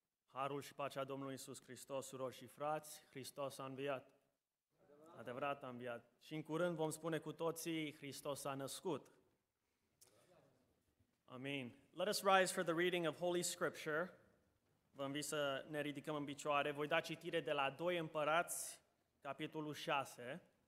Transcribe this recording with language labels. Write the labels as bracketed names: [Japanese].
[Romanian] Harul și pacea Domnului Iisus Hristos, surori și frați, Hristos a înviat. Adevărat a înviat. Și în curând vom spune cu toții, Hristos a născut. Amin. [English] Let us rise for the reading of Holy Scripture. [Romanian] Vă invit să ne ridicăm în picioare. Voi da citire de la 2 Împărați, capitolul 6.